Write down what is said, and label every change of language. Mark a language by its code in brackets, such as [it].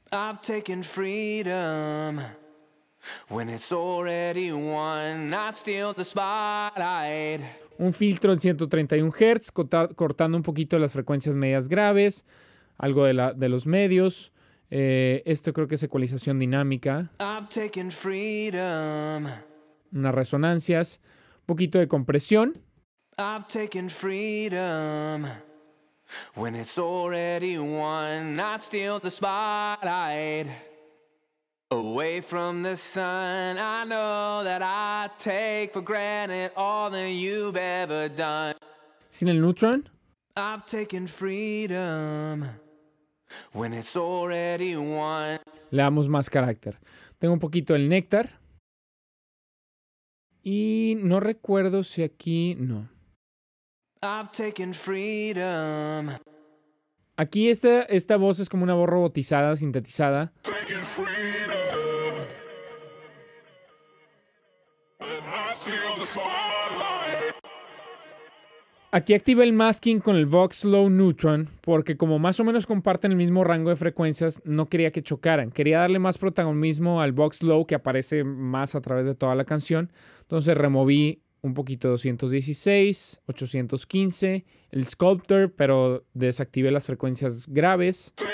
[en] I've taken freedom when it's already won. I steal the spotlight. [es] Un filtro en 131 Hz, cortando un poquito las frecuencias medias graves, algo de los medios. Esto creo que es ecualización dinámica. [en] I've taken freedom. [es] Unas resonancias. poquito de compresión. [en] I've taken freedom when it's already won. I steal the spotlight away from the sun. I know that I take for granted all that you've ever done. [es] Sin el neutron. [en] I've taken freedom when it's already won. [es] Le damos más carácter. Tengo un poquito el néctar. Y no recuerdo si aquí no. [en] I've taken freedom. [es] Aquí esta voz es como una voz robotizada, sintetizada. [en] Taking freedom. And I steal the spotlight. [es] Aquí activé el masking con el Vox Low Neutron, porque como más o menos comparten el mismo rango de frecuencias, no quería que chocaran. Quería darle más protagonismo al Vox Low, que aparece más a través de toda la canción. Entonces removí un poquito 216, 815, el Sculptor, pero desactivé las frecuencias graves.